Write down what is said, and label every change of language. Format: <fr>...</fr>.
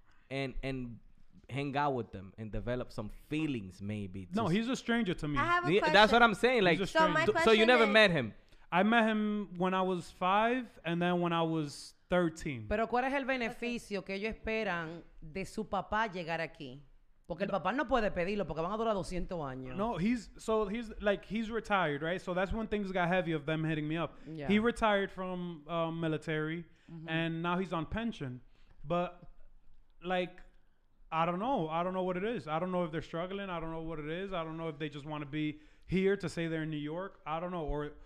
<en>And hang out with them and develop some feelings, maybe. No, he's a stranger to me. That's what I'm saying. Like, so you never met him? I met him when I was 5 and then when I was 13.</en> <es>Pero ¿cuál es el beneficio que ellos esperan de su papá llegar aquí? Porque el papá no puede pedirlo porque van a durar 200 años.</es> <en>No, he's retired, right? So that's when things got heavy of them hitting me up. Yeah. He retired from military and now he's on pension. But... like, I don't know. I don't know what it is. I don't know if they're struggling. I don't know what it is. I don't know if they just want to be here to say they're in New York. I don't know.</en>